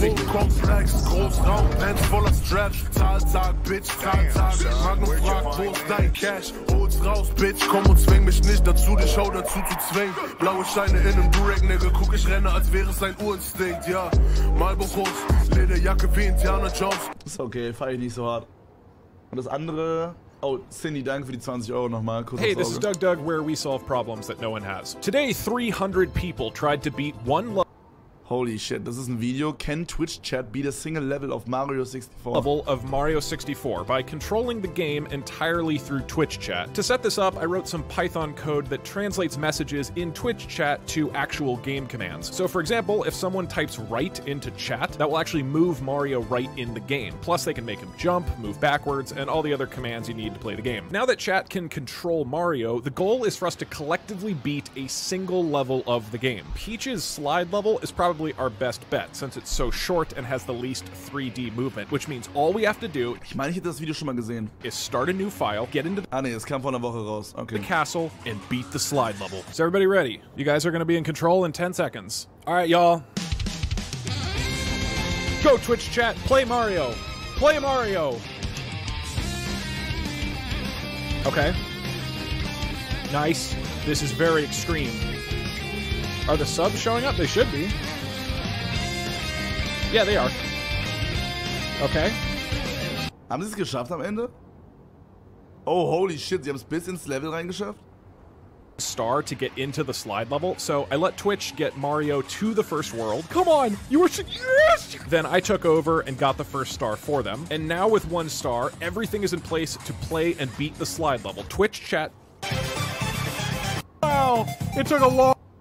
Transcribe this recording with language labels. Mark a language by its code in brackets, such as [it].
[de] Komplex, Großraum, Pants voller Stretch, Zahltag, Bitch, Zahltag, Magnum fragt, wo ist dein Cash, hol's raus, Bitch, komm und zwing mich nicht dazu, die Show dazu zu zwingen, blaue Steine in nem Durek, Nigga, guck, ich renne, als wäre es ein Urinstinkt, ja, Malbuchus, Lederjacke wie Indiana Jones. Ist okay, fahr ich nicht so hart. Und das andere, oh, Cindy, danke für die 20 Euro nochmal. Kurz [en] hey, this is Doug Doug, where we solve problems that no one has. Today, 300 people tried to beat one love. Holy shit, [de] das ist ein Video. [en] Can Twitch Chat beat a single level of Mario 64? Level of Mario 64 by controlling the game entirely through Twitch Chat. To set this up, I wrote some Python code that translates messages in Twitch Chat to actual game commands. So for example, if someone types right into chat, that will actually move Mario right in the game. Plus they can make him jump, move backwards, and all the other commands you need to play the game. Now that chat can control Mario, the goal is for us to collectively beat a single level of the game. Peach's slide level is probably our best bet, since it's so short and has the least 3D movement, which means all we have to do, [de] ich meine, ich hätte das Video schon mal gesehen, [en] is start a new file, get into [de] ah, nee, es kam vor einer Woche raus. Okay. [en] The castle and beat the slide level. Is everybody ready? You guys are gonna be in control in 10 seconds. All right, y'all. Go Twitch chat, play Mario. Play Mario. Okay. Nice. This is very extreme. Are the subs showing up? They should be. Yeah, they are. Okay. [de] Haben sie es geschafft am Ende? [en] Oh, holy shit, [de] sie haben es bis ins Level reingeschafft? [en] Star to get into the slide level, so I let Twitch get Mario to the first world. Come on, you were yes! Then I took over and got the first star for them. And now with one star, everything is in place to play and beat the slide level. Twitch chat. Wow, it took a long...